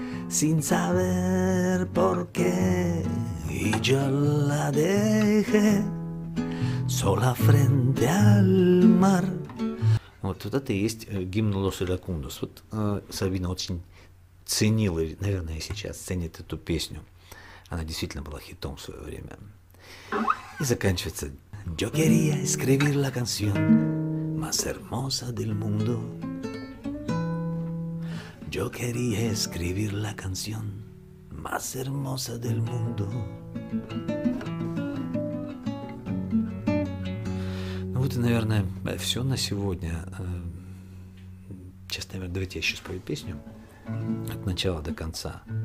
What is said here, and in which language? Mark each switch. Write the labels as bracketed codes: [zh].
[es] Sin saber por qué, y yo la dejé sola frente al mar. [ru] Вот, вот это и есть гимн Лос Иракундос. Вот Сабина очень ценила, наверное, сейчас ценит эту песню. Она действительно была хитом в свое время. И заканчивается. [es] Yo quería escribir la canción más hermosa del mundo. Yo quería escribir la canción más hermosa del mundo. [ru] Ну вот и, наверное, все на сегодня. Сейчас, наверное, давайте я еще спою песню от начала до конца.